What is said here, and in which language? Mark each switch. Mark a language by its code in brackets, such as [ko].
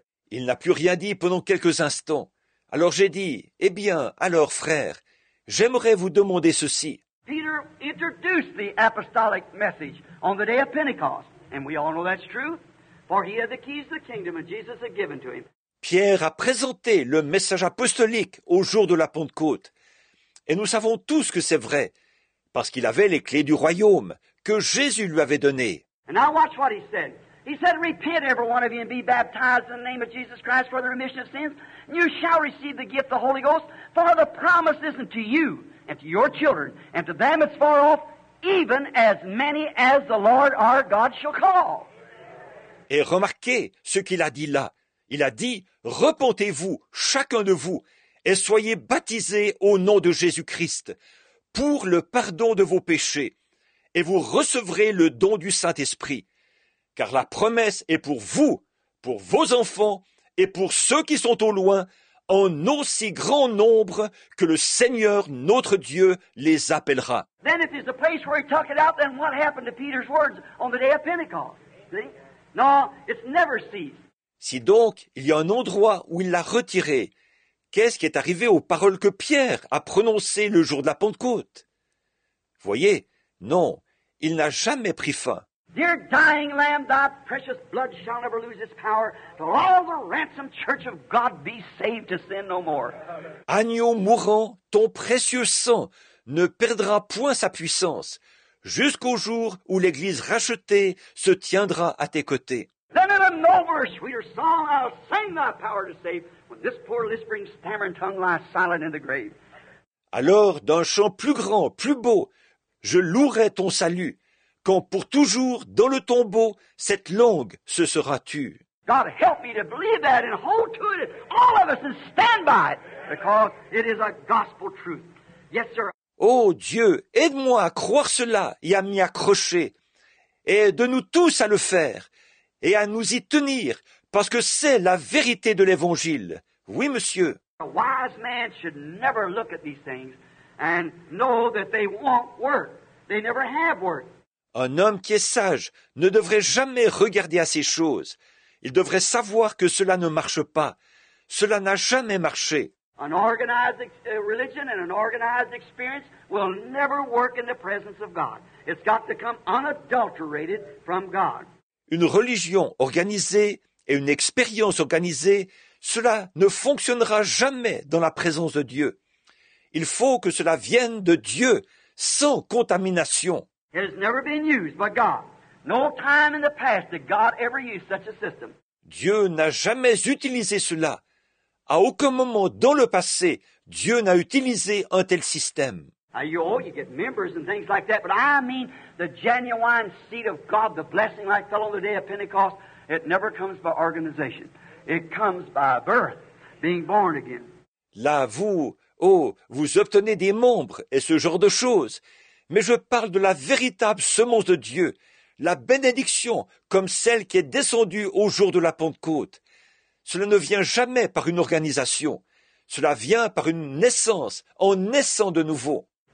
[fr] Il n'a plus rien dit pendant quelques instants. Alors j'ai dit, eh bien, alors frère, j'aimerais vous demander ceci. [en] Peter introduced the apostolic message on the day of Pentecost. And we all know that's true, for he had the keys of the kingdom and Jesus had given to him. [fr] Pierre a présenté le message apostolique au jour de la Pentecôte. Et nous savons tous que c'est vrai, parce qu'il avait les clés du royaume que Jésus lui avait donné. [en] And now watch what he said. He said, repent every one of you and be baptized in the name of Jesus Christ for the remission of sins. And you shall receive the gift of the Holy Ghost, for the promise isn't to you and to your children and to them that's far off, even as many as the Lord our God shall call. [fr] Et remarquez ce qu'il a dit là. Il a dit, repentez-vous, chacun de vous, et soyez baptisés au nom de Jésus-Christ pour le pardon de vos péchés, et vous recevrez le don du Saint-Esprit. Car la promesse est pour vous, pour vos enfants, et pour ceux qui sont au loin, en aussi grand nombre que le Seigneur, notre Dieu, les appellera. [en] Then if it's the place where he took it out, then what happened to Peter's words on the day of Pentecost? See? No, it's never ceased. [fr] Si donc il y a un endroit où il l'a retiré, qu'est-ce qui est arrivé aux paroles que Pierre a prononcées le jour de la Pentecôte? Voyez, non, il n'a jamais pris fin. [en] Dear dying lamb, thy precious blood shall never lose its power, till all the ransomed church of God be saved to sin no more. [fr] Agneau mourant, ton précieux sang ne perdra point sa puissance, jusqu'au jour où l'Église rachetée se tiendra à tes côtés. [en] Then in a nobler, sweeter song, I'll sing thy power to save, when this poor lisping, stammering tongue lies silent in the grave. [fr] Alors, d'un chant plus grand, plus beau, je louerai ton salut, quand pour toujours, dans le tombeau, cette langue se sera tue. [en] God help me to believe that and hold to it, all of us, and stand by it, because it is a gospel truth. Yes, sir. [fr] Oh Dieu, aide-moi à croire cela et à m'y accrocher, et de nous tous à le faire. Et à nous y tenir, parce que c'est la vérité de l'Évangile. Oui, monsieur. [en] A wise man should never look at these things and know that they won't work. They never have worked. [fr] Un homme qui est sage ne devrait jamais regarder à ces choses. Il devrait savoir que cela ne marche pas. Cela n'a jamais marché. [en] An organized religion and an organized experience will never work in the presence of God. It's got to come unadulterated from God. [fr] Une religion organisée et une expérience organisée, cela ne fonctionnera jamais dans la présence de Dieu. Il faut que cela vienne de Dieu, sans contamination. [en] It has never been used by God. No time in the past did God ever use such a system. [fr] Dieu n'a jamais utilisé cela. À aucun moment dans le passé, Dieu n'a utilisé un tel système. [en] You get members and things like that, but I mean the genuine seed of God, the blessing like fell on the day of Pentecost, it never comes by organization. It comes by birth, being born again. [fr] Là, vous obtenez des membres et ce genre de choses. Mais je parle de la véritable semence de Dieu, la bénédiction comme celle qui est descendue au jour de la Pentecôte. Cela ne vient jamais par une organisation. Cela vient par une naissance, en naissant de nouveau.